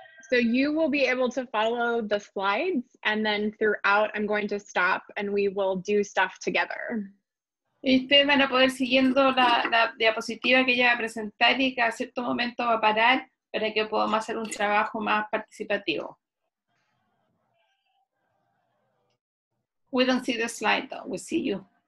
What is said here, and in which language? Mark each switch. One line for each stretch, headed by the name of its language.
English: So you will be able to follow the slides, and then throughout I'm going to stop and we will do stuff together.
Spanish: Ustedes van a poder siguiendo la diapositiva que ella va a presentar y que a cierto momento va a parar para que podamos hacer un trabajo más participativo.
English: We don't see the slide though, we see you.